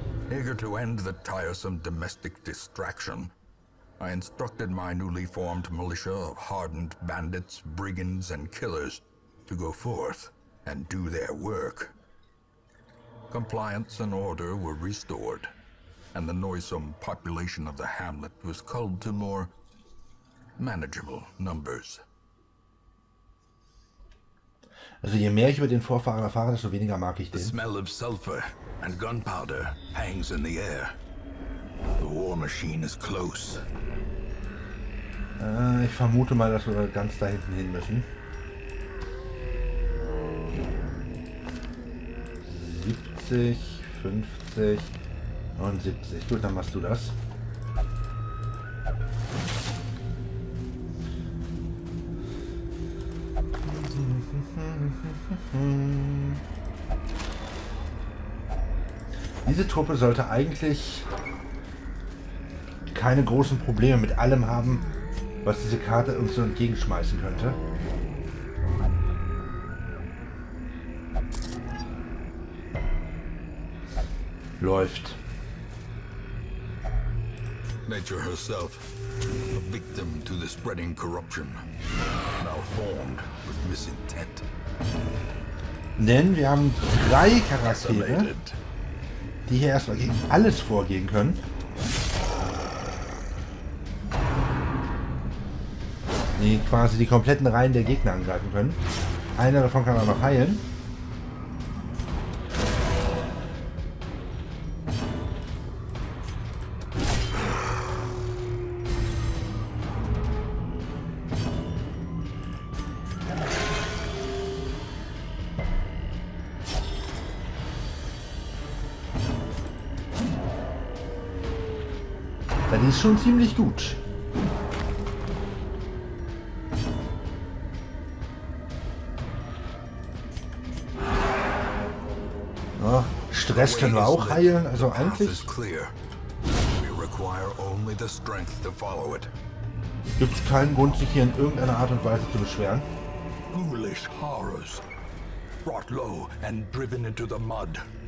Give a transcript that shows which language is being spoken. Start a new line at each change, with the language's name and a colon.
English: Eager to end the tiresome domestic distraction, I instructed my newly formed militia of hardened bandits, brigands and killers to go forth and do their work. Compliance and order were restored, and the noisome population of the hamlet was culled to more manageable numbers.
German: Also je mehr ich über den Vorfahren erfahre, desto weniger mag ich den.
English: The smell of sulfur and gunpowder hangs in the air. The war machine is close.
German: Ich vermute mal, dass wir ganz da hinten hin müssen. 70, 50 und 70. Gut, dann machst du das. Diese Truppe sollte eigentlich keine großen Probleme mit allem haben, was diese Karte uns so entgegenschmeißen könnte. Läuft.
English: Nature herself, a victim to the spreading corruption, now formed with misintent.
German: Denn wir haben drei Charaktere, die hier erstmal gegen alles vorgehen können. Die quasi die kompletten Reihen der Gegner angreifen können. Einer davon kann auch noch heilen. Schon ziemlich gut. Ja, Stress können wir auch heilen, also eigentlich. Gibt es keinen Grund, sich hier in irgendeiner Art und Weise zu beschweren.
English: Foolish horrors, brought low and driven into the mud.